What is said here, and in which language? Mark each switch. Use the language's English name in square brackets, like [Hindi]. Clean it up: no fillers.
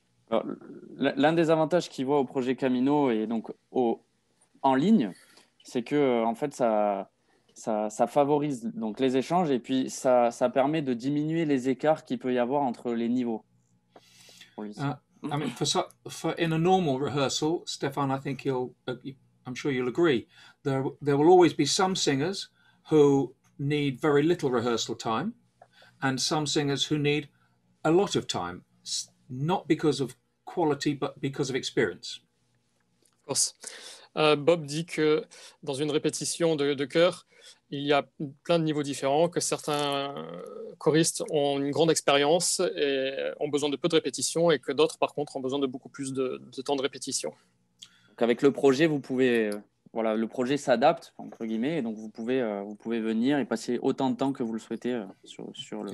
[French] Alors, l'un des avantages qu'il voit au projet Camino et donc en ligne, c'est que en fait ça favorise donc les échanges et puis ça permet de diminuer les écarts qu'il peut y avoir entre les niveaux. [English] In a normal rehearsal, Stefan, I think I'm sure you'll agree, there will always be some singers who need very little rehearsal time, and some singers who need a lot of time. Not because of quality, but because of experience. Of course. [French] Bob dit que dans une répétition de chœur, il y a plein de niveaux différents, que certains choristes ont une grande expérience et ont besoin de peu de répétitions, et que d'autres, par contre, ont besoin de beaucoup plus de temps de répétition. Donc avec le projet, vous pouvez... Voilà, le projet s'adapte, entre guillemets, et donc vous pouvez venir et passer autant de temps que vous le souhaitez sur le